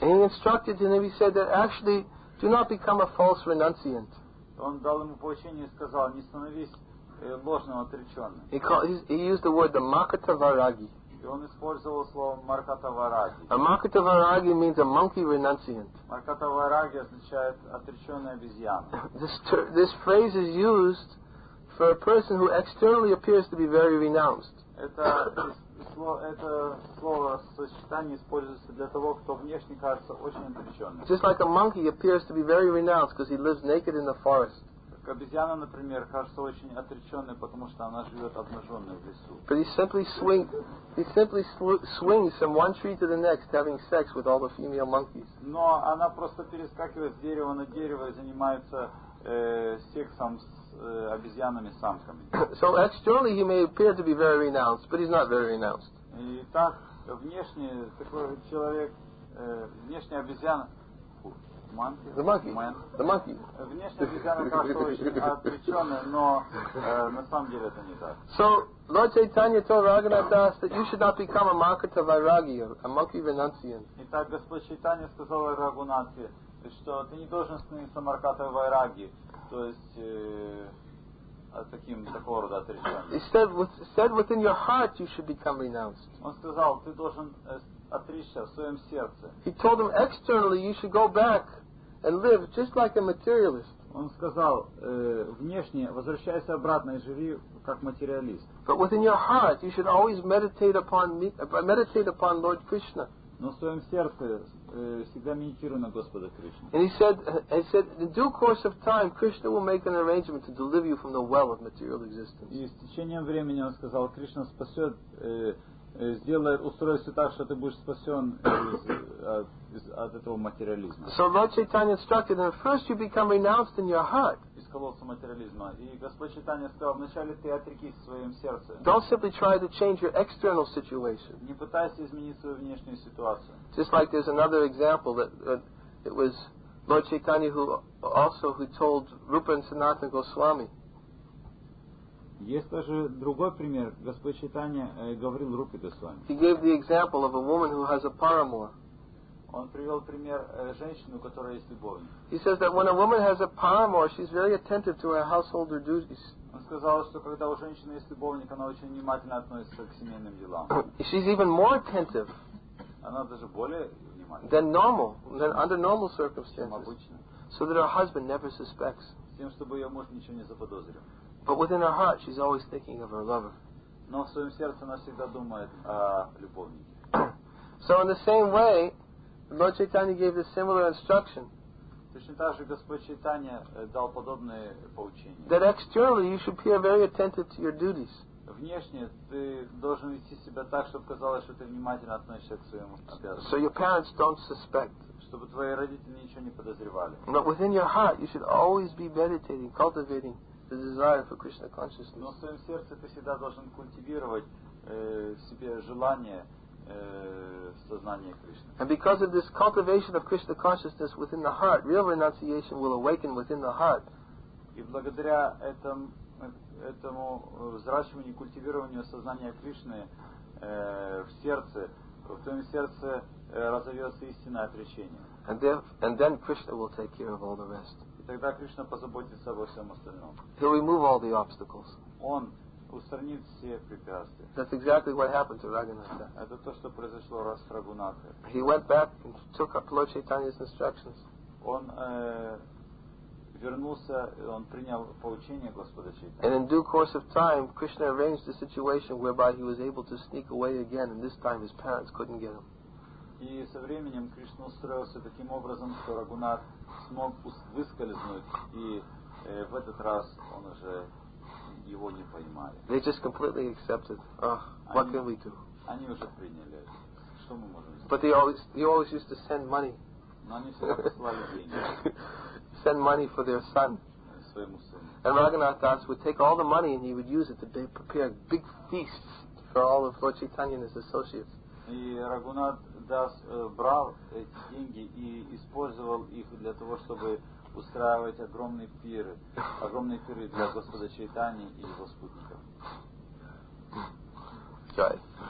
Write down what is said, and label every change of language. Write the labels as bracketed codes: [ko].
[en] He instructed him and he said that actually do not become a false renunciant. [ru] Он дал ему поучение и сказал, не становись ложным отреченным. [en] He used the word the Markatavaragi. [ru] И он использовал слово Markatavaragi. [en] A Markatavaragi means a monkey renunciant. [ru] Markatavaragi означает отреченная обезьяна. [en] This phrase is used for a person who externally appears to be very renounced. [ru] Это слово сочетание используется для того, кто внешне кажется очень отреченным. [en] Just like a monkey appears to be very renounced because he lives naked in the forest. [ru] Как обезьяна, например, кажется очень отреченной, потому что она живет обнаженной в лесу. [en] But he simply swings from one tree to the next, having sex with all the female monkeys. [ru] Но она просто перескакивает с дерева на дерево и занимается сексом с обезьянами, самками. [en] So externally he may appear to be very renounced, but he's not very renounced. [ru] И так внешне такой человек, внешне обезьяна, [en] The monkey. [ru] Внешне обезьяна кажется очень отреченной, но на самом деле это не так. [en] So Lord Chaitanya told Raghunath Das that you should not become a Markatavairagi, a monkey renunciant. [ru] И так Господь Чайтанья сказал Раghunathе, что ты не должен становиться Markatavairagi. То есть таким такого рода отречённым. [en] He said within your heart you should become renounced. [ru] Он сказал, ты должен отречься в своем сердце. [en] He told him externally you should go back and live just like a materialist. [ru] Он сказал, внешне возвращайся обратно и живи как материалист. [en] But within your heart, you should always meditate upon Lord Krishna. [ru] Но в своем сердце всегда медитируй на Господа Кришну. [en] And he said, in due course of time, Krishna will make an arrangement to deliver you from the well of material existence. [ru] И с течением времени он сказал, Кришна спасет, сделает устройство так, что ты будешь спасен от этого материализма. [en] So Lord Chaitanya instructed him, first you become renounced in your heart. [ru] Из колодца материализма. И Господь Чайтанья сказал, вначале ты отрекись в своем сердце. [en] Don't simply try to change your external situation. [ru] Не пытайся изменить свою внешнюю ситуацию. [en] Just like there's another example that it was Lord Chaitanya who told Rupa and Sanatana Goswami. [ru] Есть также другой пример. Господь Чайтанья говорил Рупе Госвами. [en] He gave the example of a woman who has a paramour. [ru] Он привел пример женщины, у которой есть любовник. [en] He says that when a woman has a paramour, she's very attentive to her household duties. [ru] Он сказал, что когда у женщины есть любовник, она очень внимательно относится к семейным делам. [en] She's even more attentive. [ru] Она даже более внимательна. [en] Than normal, than under normal circumstances. [ru] Обычно. [en] So that her husband never suspects. [ru] С тем, чтобы ее муж ничего не заподозрил. [en] But within her heart, she's always thinking of her lover. [ru] Но в своем сердце она всегда думает о любовнике. [en] So in the same way, Lord Chaitanya gave a similar instruction. [ru] Точно так же Господь Чайтанья дал подобное поучение. [en] That externally you should appear very attentive to your duties. [ru] Внешне ты должен вести себя так, чтобы казалось, что ты внимательно относишься к своему обязанности. [en] So your parents don't suspect. [ru] Чтобы твои родители ничего не подозревали. [en] But within your heart, you should always be meditating, cultivating the desire for Krishna consciousness. [ru] Но в своем сердце ты всегда должен культивировать в себе желание сознания Кришны. [en] And because of this cultivation of Krishna consciousness within the heart, real renunciation will awaken within the heart. [ru] И благодаря этому взращиванию, культивированию сознания Кришны в сердце, в твоем сердце разовьется истинное отречение. [en] And then Krishna will take care of all the rest. [ru] И тогда Кришна позаботится обо всем остальном. [en] He'll remove all the obstacles. [ru] Он устранит все препятствия. [en] That's exactly what happened to Raghunatha. [ru] Это то, что произошло с Рагунатхой. [en] He went back and took up Lord Chaitanya's instructions. [ru] Он вернулся, он принял поучение Господа Чайтаньи. [en] And in due course of time, Krishna arranged a situation whereby he was able to sneak away again, and this time his parents couldn't get him. [ru] И со временем Кришна устроился таким образом, что Рагунат смог выскользнуть, и в этот раз он уже его не поймали. [en] They just completely accepted. Oh, what can we do? [ru] Они уже приняли. Что мы можем сделать? [en] But he always used to send money. [ru] Но они всегда посылали деньги. [en] Send money for their son. And Raghunath Das would take all the money and he would use it to prepare big feasts for all of Lord Chaitanya and his associates. [ru] И Рагунат Дас брал эти деньги и использовал их для того, чтобы устраивать огромные пиры для Господа Чайтани и его спутников. Чай.